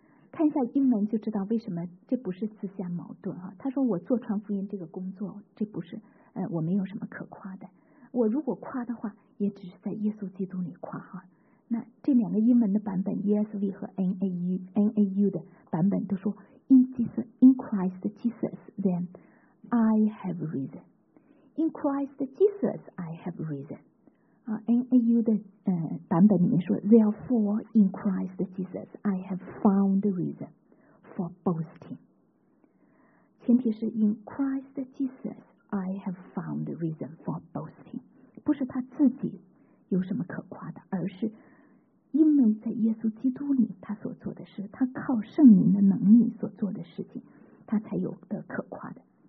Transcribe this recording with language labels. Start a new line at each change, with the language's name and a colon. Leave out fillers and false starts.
Chinese: 看一下英文就知道为什么这不是自相矛盾啊。他说我做传福音这个工作，这不是我没有什么可夸的，我如果夸的话也只是在耶稣基督里夸哈。那这两个英文的版本 ESV 和 NAU 的版本都说
English: In Christ Jesus then I have reason， In Christ Jesus I have reason。
Chinese: NAU 的版本里面说
English: Therefore in Christ Jesus I have found reason for boasting，
Chinese: 前提是
English: In Christ Jesus I have found reason for boasting，
Chinese: 不是他自己有什么可夸的，而是因为在耶稣基督里他所做的事，他靠圣灵的能力所做的事情，他才有的可夸的。